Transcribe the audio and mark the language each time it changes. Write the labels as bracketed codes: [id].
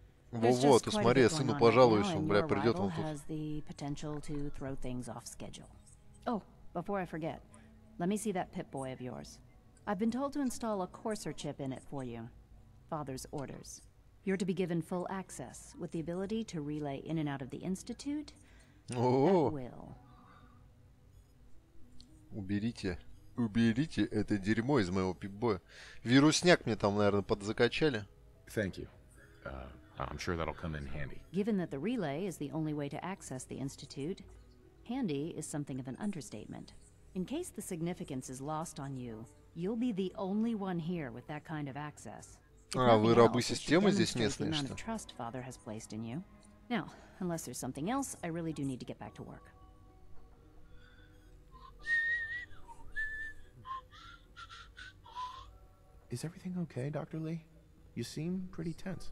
[ru] Во-во, ты смотри, я сыну пожалуюсь, он, бля, придёт вам тут. [en] Has the potential to throw things off schedule. Oh, before I forget, let me see that Pip-Boy of yours. I've been told to install a Courser chip in it for you. Father's orders. You're to be given full access, with the ability to relay in and out of the Institute. Will. [ru] Уберите. Уберите это дерьмо из моего пип-боя. Вирусняк мне там, наверное, подзакачали. [en] Thank you. I'm sure that'll come in handy. Given that the relay is the only way to access the Institute, handy is something of an understatement. In case the significance is lost on you, you'll be the only one here with that kind of access. [ru] А, вы рабы системы здесь местные, что? [en] Now, unless there's something else, I really do need to get back to work. Is everything okay, Dr. Lee? You seem pretty tense.